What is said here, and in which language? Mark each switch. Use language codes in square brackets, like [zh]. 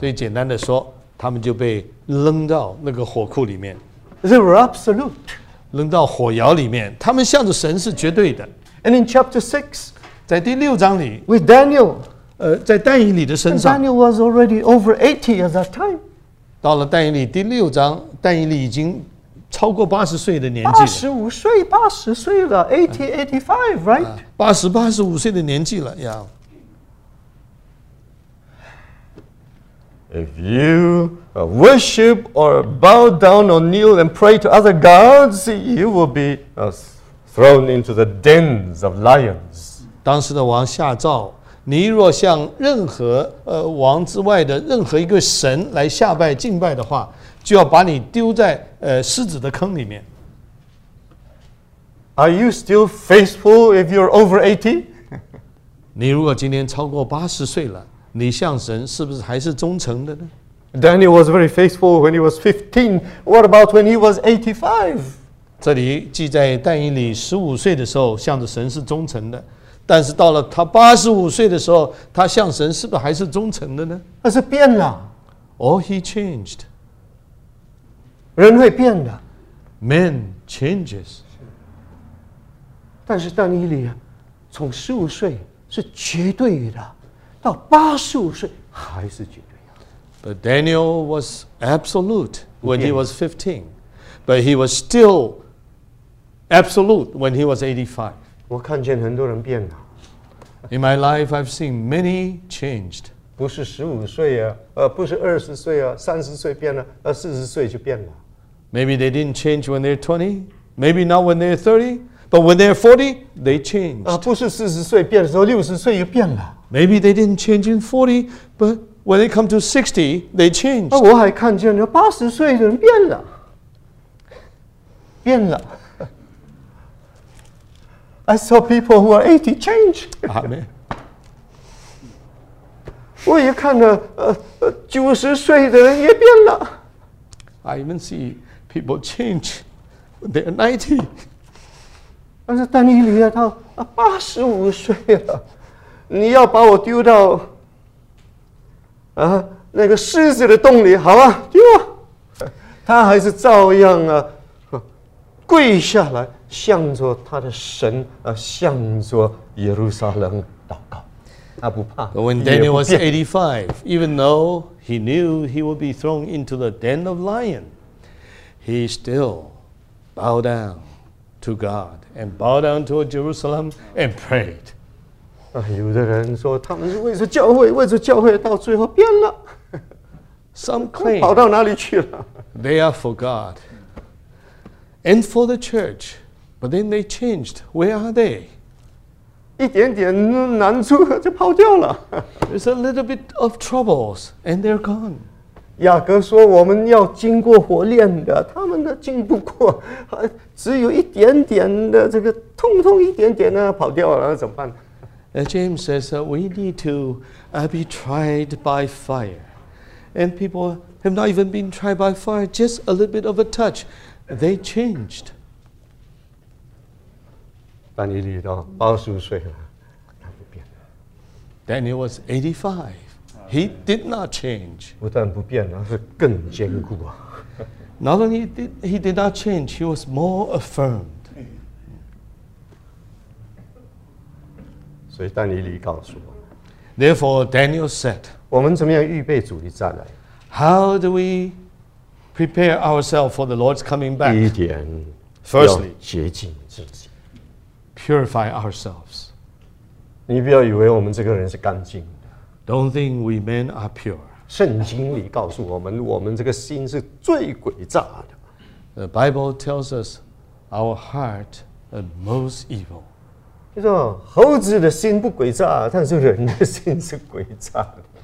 [zh] 所以简单的说，他们就被扔到那个火库里面。 [en] They were absolute. [zh] 扔到火窑里面，他们向着神是绝对的。 [en] And in chapter 6, [zh] 在第六章里 [en] ，with Daniel， [zh] 在但以理的身上 [en] ，Daniel was already over 80 at that time。 [zh] 到了但以理第六章，但以理已经超过80岁的年纪了， 85岁，80岁了 ，80, 85 right？ 80、85岁的年纪了呀。 [en] If you worship or bow down or kneel and pray to other gods, you will be thrown into the dens of lions. [zh] 当时的王下诏，你若向任何王之外的任何一个神来下拜敬拜的话，就要把你丢在狮子的坑里面。 [en] Are you still faithful if you're over 80? [zh] 你如果今年超过80岁了，你向神是不是还是忠诚的呢？ [en] Daniel was very faithful when he was 15. What about when he was 85? [zh] 这里记在但以理15岁的时候向着神是忠诚的，但是到了他85岁的时候，他向神是不是还是忠诚的呢？他是变了。 [en] Oh, he changed. [zh] 人会变的。 [en] Man changes. [zh] 但是但以理从15岁是绝对的，到85岁还是绝对的。 [en] But Daniel was absolute when he was 15. But he was still absolute when he was 85. [zh] 我看见很多人变了。 [en] In my life, I've seen many changed. [zh] 不是15岁啊，不是20岁啊，30岁变了，40岁就变了。 [en] Maybe they didn't change when they're 20. Maybe not when they're 30. But when they're 40, they changed. [zh] 不是40岁变的时候，60岁又变了。 [en] Maybe they didn't change in 40, but when they come to 60, they changed. [zh] 我还看见了80岁的人变了。变了。 [en] I saw people who are 80 change. Amen. [zh] 我也看了90岁的人也变了。 [en] I even see people change when they're 90. [zh] 但是但以理他85岁了，你要把我丢到那个狮子的洞里，好啊，丢啊！他还是照样啊，跪下来向着他的神向着耶路撒冷祷告，他不怕。 [en] But when Daniel was 85, even though he knew he would be thrown into the den of lion, he still bowed down. To God and bow down to Jerusalem and prayed. [zh] 有的人说他们是为着教会，为着教会到最后变了。 [en] Some claim [zh] 跑到哪里去了 [en] ？They are for God and for the church, but then they changed. Where are they? [zh] 一点点难处就跑掉了。 [en] There's a little bit of troubles and they're gone. [zh] 雅各说我们要经过火炼的，他们的经不过，只有一点点的这个痛痛一点点的跑掉了，怎么办？ [en] James says we need to be tried by fire. And people have not even been tried by fire, just a little bit of a touch. They changed. [zh] 但以理到85岁了，他不变了。 [en] Daniel was 85. He did not change. [zh] 不但不变，而是更坚固啊。 [en] Not only he did not change, he was more affirmed. [zh] 所以但以理告诉我。 [en] Therefore, Daniel said, [zh] 我们怎么样预备主的再来？ [en] How do we prepare ourselves for the Lord's coming back? [zh] 第一点， [en] Firstly, [zh] 要洁净自己。 [en] Purify ourselves. [zh] 你不要以为我们这个人是干净。 [en] Don't think we men are pure. [zh] 圣经里告诉我们，我们这个心是最诡诈的。 [en] The Bible tells us our heart is most evil. [zh] 就说猴子的心不诡诈，但是人的心是诡诈的。